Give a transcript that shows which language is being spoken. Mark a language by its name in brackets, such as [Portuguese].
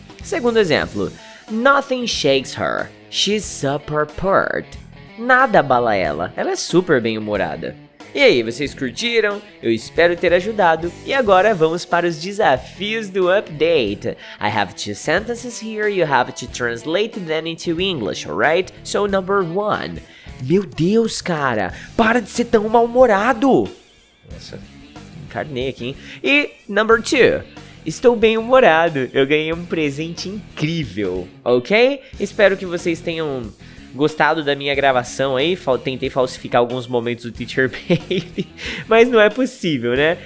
[Portuguese] Segundo exemplo. [English] Nothing shakes her. She's super pert. [Portuguese] Nada abala ela. Ela é super bem-humorada. E aí, vocês curtiram? Eu espero ter ajudado. E agora vamos para os desafios do update. [English] I have 2 sentences here. You have to translate them into English, alright? So, number 1. [Portuguese] Meu Deus, cara, para de ser tão mal-humorado. Nossa, encarnei aqui, hein? E number 2, estou bem-humorado, eu ganhei um presente incrível, ok? Espero que vocês tenham gostado da minha gravação aí, tentei falsificar alguns momentos do Teacher Baby, mas não é possível, né?